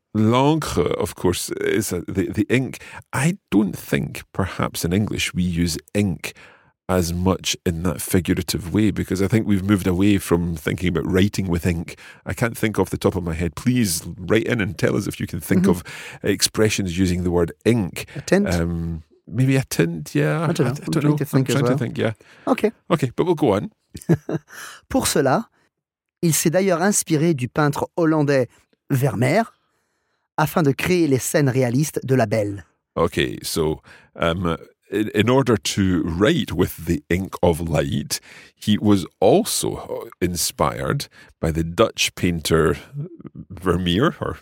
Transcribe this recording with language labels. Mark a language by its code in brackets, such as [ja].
[en] L'encre, of course, is the ink. I don't think perhaps in English we use ink as much in that figurative way, because I think we've moved away from thinking about writing with ink. I can't think off the top of my head. Please write in and tell us if you can think of expressions using the word ink. A tint? Maybe a tint, yeah. I don't know. I'm trying to think, yeah. Okay. Okay, but we'll go on. [fr] Pour cela, il s'est d'ailleurs inspiré du peintre hollandais Vermeer afin de créer les scènes réalistes de la Belle. [en] Okay, so... In order to write with the ink of light, he was also inspired by the Dutch painter Vermeer,